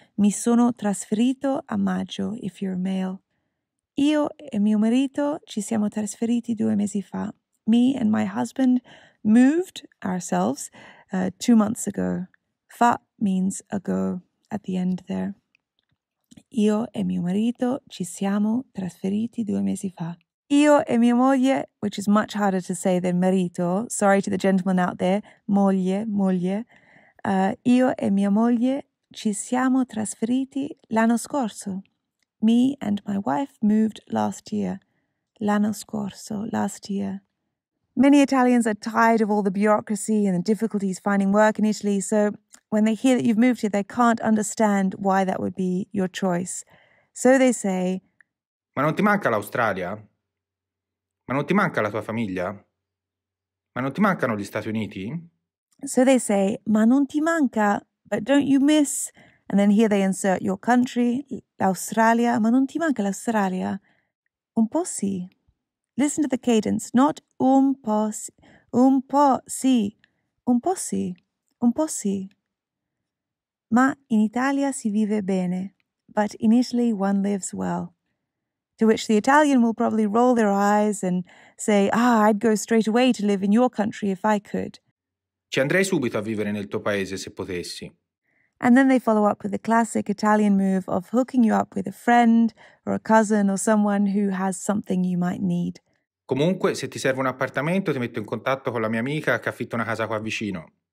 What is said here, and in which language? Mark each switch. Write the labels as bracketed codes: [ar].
[it] Mi sono trasferito a maggio, [en] if you're a male. [it] Io e mio marito ci siamo trasferiti 2 mesi fa. [en] Me and my husband moved ourselves 2 months ago. Fa means ago at the end there. [it] Io e mio marito ci siamo trasferiti 2 mesi fa. Io e mia moglie, [en] which is much harder to say than marito, sorry to the gentleman out there, moglie, moglie. [it] Io e mia moglie ci siamo trasferiti l'anno scorso. [en] Me and my wife moved last year. [it] L'anno scorso, [en] last year. Many Italians are tired of all the bureaucracy and the difficulties finding work in Italy, so when they hear that you've moved here, they can't understand why that would be your choice. So they say, [it] Ma non ti manca l'Australia? Ma non ti manca la tua famiglia? Ma non ti mancano gli Stati Uniti? [en] So they say, [it] Ma non ti manca, [en] but don't you miss? And then here they insert your country, l'Australia. [it] Ma non ti manca l'Australia? Un po' sì. [en] Listen to the cadence, not [it] un po' sì. Un po' sì. Un po' sì. Un po' sì. Ma in Italia si vive bene. [en] But in Italy one lives well. To which the Italian will probably roll their eyes and say, Ah, I'd go straight away to live in your country if I could. [it] Ci andrei subito a vivere nel tuo paese se potessi. [en] And then they follow up with the classic Italian move of hooking you up with a friend or a cousin or someone who has something you might need. [it] Comunque, se ti serve un appartamento, ti metto in contatto con la mia amica che affitta una casa qua vicino.